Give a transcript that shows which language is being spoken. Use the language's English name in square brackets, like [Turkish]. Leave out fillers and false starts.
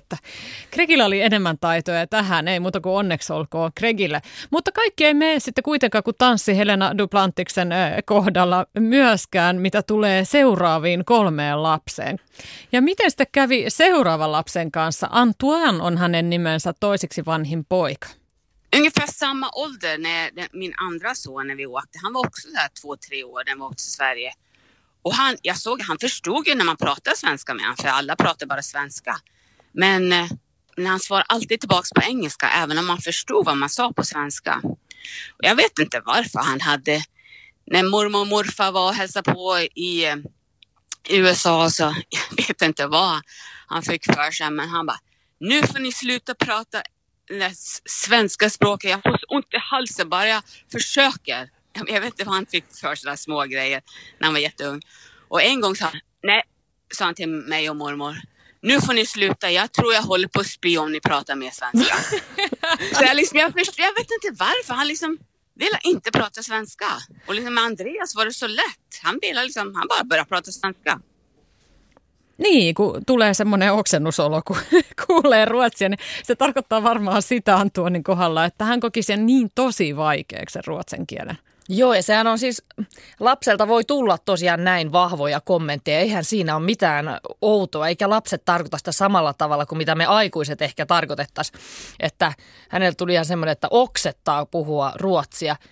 [Finnish] Että Craigilla oli enemmän taitoja tähän, ei muuta kuin onneksi olkoon Craigille. Mutta kaikki ei mene sitten kuitenkaan kuin tanssi Helena Duplantiksen kohdalla myöskään, mitä tulee seuraaviin 3 lapseen. Ja miten sitä kävi seuraavan lapsen kanssa? Antoine on hänen nimensä toiseksi vanhin poika. [Swedish] Ungefär samma ålder när min andra son när vi åkte. Han var också 2-3 år när vi åkte till Sverige. Och han förstod ju när man pratade svenska med honom, för alla pratade bara svenska. Men när han svarade alltid tillbaka på engelska, även om man förstod vad man sa på svenska. Och jag vet inte varför han hade, när mormor och morfar var och hälsade på i USA, så jag vet inte vad han fick för sig, men han bara, nu får ni sluta prata det svenska språket, jag får ont i halsen bara jag försöker. Jag vet inte vad han fick för sådana små grejer när han var jätteung. Och en gång sa han till mig och mormor, nu får ni sluta, jag tror jag håller på att spy om ni pratar mer svenska. Så jag vet inte varför, han liksom ville inte prata svenska. Och liksom med Andreas var det så lätt, han bara började prata svenska. [Finnish] Niin, kun tulee semmoinen oksennusolo, kun kuulee ruotsia, niin se tarkoittaa varmaan sitä Antoinin kohdalla, että hän koki sen niin tosi vaikeaksi sen ruotsin kielen. Joo, ja sehän on siis, lapselta voi tulla tosiaan näin vahvoja kommentteja, eihän siinä ole mitään outoa, eikä lapset tarkoita sitä samalla tavalla kuin mitä me aikuiset ehkä tarkoitettaisiin, että hänellä tuli ihan semmoinen, että oksettaa puhua ruotsia.